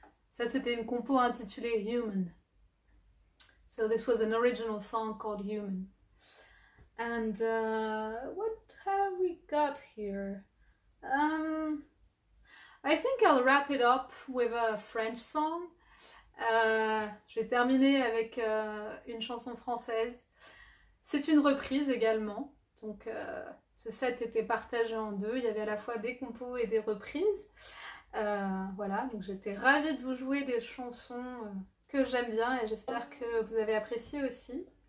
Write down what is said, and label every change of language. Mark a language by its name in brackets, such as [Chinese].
[French] Ça, c'était une compo intitulée Human. [English] So this was an original song called Human. And what have we got here? I think I'll wrap it up with a French song. [French] Je vais terminer avec une chanson française. C'est une reprise également. Donc ce set était partagé en deux. Il y avait à la fois des compos et des reprises. Voilà, donc j'étais ravie de vous jouer des chansons que j'aime bien et j'espère que vous avez apprécié aussi.